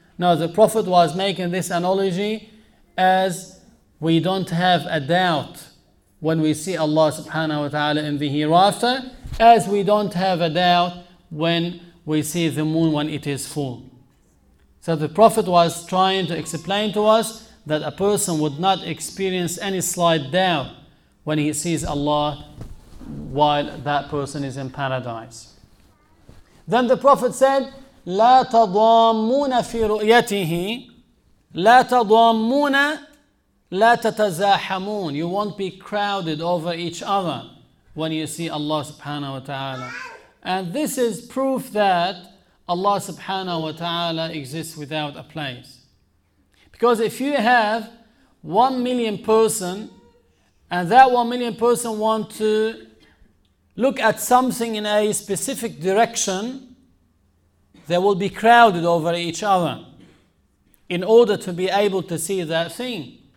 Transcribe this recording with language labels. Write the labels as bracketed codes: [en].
[en] No, the Prophet was making this analogy as we don't have a doubt when we see Allah subhanahu wa ta'ala in the hereafter, as we don't have a doubt when we see the moon when it is full. So the Prophet was trying to explain to us that a person would not experience any slight doubt when he sees Allah while that person is in paradise. Then the Prophet said, [ar] لَا تَضَامُّونَ فِي رُؤْيَتِهِ لَا تَضَامُّونَ لَا تَتَزَاحَمُونَ. [en] You won't be crowded over each other when you see Allah subhanahu wa ta'ala. And this is proof that Allah subhanahu wa ta'ala exists without a place. Because if you have 1 million person, and that 1 million person want to look at something in a specific direction, they will be crowded over each other in order to be able to see that thing.